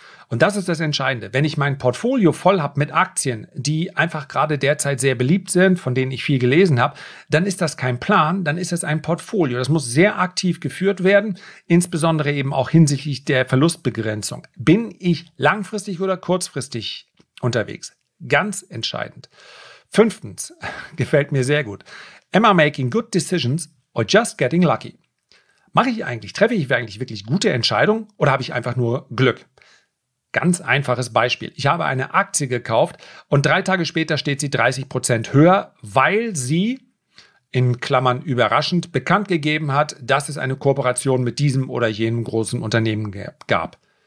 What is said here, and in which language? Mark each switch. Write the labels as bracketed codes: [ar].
[de] Und das ist das Entscheidende. Wenn ich mein Portfolio voll habe mit Aktien, die einfach gerade derzeit sehr beliebt sind, von denen ich viel gelesen habe, dann ist das kein Plan, dann ist es ein Portfolio. Das muss sehr aktiv geführt werden, insbesondere eben auch hinsichtlich der Verlustbegrenzung. Bin ich langfristig oder kurzfristig unterwegs? Ganz entscheidend. Fünftens, gefällt mir sehr gut. [en] Am I making good decisions or just getting lucky? [de] Treffe ich wirklich gute Entscheidungen oder habe ich einfach nur Glück? Ganz einfaches Beispiel. Ich habe eine Aktie gekauft und 3 Tage später steht sie 30% höher, weil sie, in Klammern überraschend, bekannt gegeben hat, dass es eine Kooperation mit diesem oder jenem großen Unternehmen gab.